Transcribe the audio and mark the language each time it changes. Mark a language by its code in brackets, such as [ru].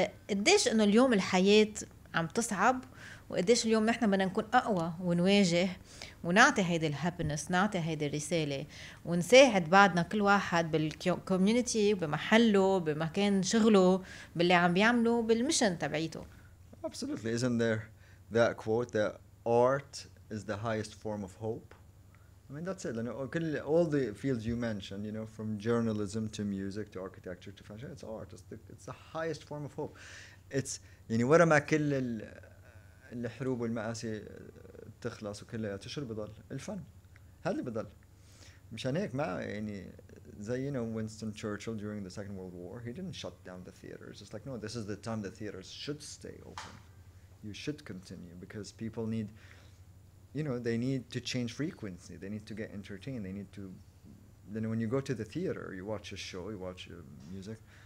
[ar] قديش انه اليوم الحياة عم تصعب، وقديش اليوم نحن بدنا نكون اقوى ونواجه ونعطي هيدا الهابنس، نعطي هيدا الرسالة، ونساعد بعضنا كل واحد بالكوميونيتي، بمحله، بمكان شغله، باللي عم بيعمله، بالمشن تبعيته. [en] Absolutely. Isn't there that quote that art is the highest form of hope? I mean, that's it. All the fields you mentioned, you know, from journalism to music to architecture to fashion, it's art. It's the highest form of hope. [ar] It's, يعني ورا ما كل الحروب والمآسي تخلص وكلها تشرب بضل الفن، هذا اللي بضل. مشان هيك ما يعني زي [en] you know Winston Churchill during the Second World War he didn't shut down the theaters. It's like no, this is the time the theaters should stay open. You should continue because people need, you know, they need to change frequency. They need to get entertained. They need to. Then when you go to the theater, you watch a show, you watch music.